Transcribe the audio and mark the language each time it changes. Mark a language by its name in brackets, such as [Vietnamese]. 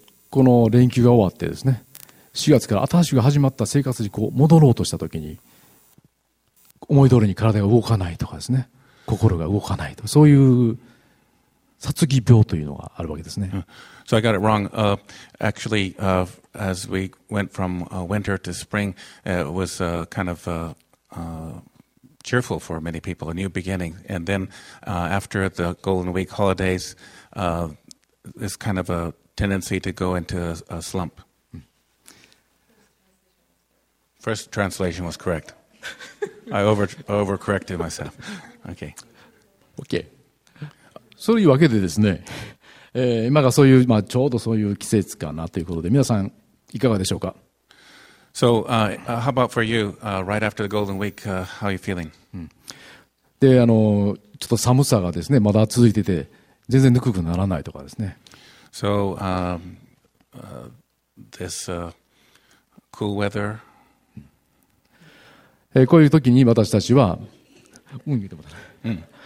[Japanese] この連休が終わってですね、4月から新しく始まった生活にこう戻ろうとしたときに、思い通りに体が動かないとかですね、心が動かないとか、そういう、殺気病というのがあるわけですね。 [English] So I got it wrong. Actually, as we went from winter to spring, it was kind of cheerful for many people, a new beginning. And then after the Golden Week holidays, this kind of a tendency to go into a slump. First translation was correct. I overcorrected myself. Okay. Okay. [Japanese] そういうわけでですね、今がそういう、まあ、ちょうどそういう季節かなということで、皆さんいかがでしょうか。 [English] So, how about for you, right after the Golden Week, how are you feeling? [Japanese] で、ちょっと寒さがですね、まだ続いてて、全然ぬくくならないとかですね。 [English] So, this, cool weather. [Japanese] こういう時に私たちは、うん、見てもらって。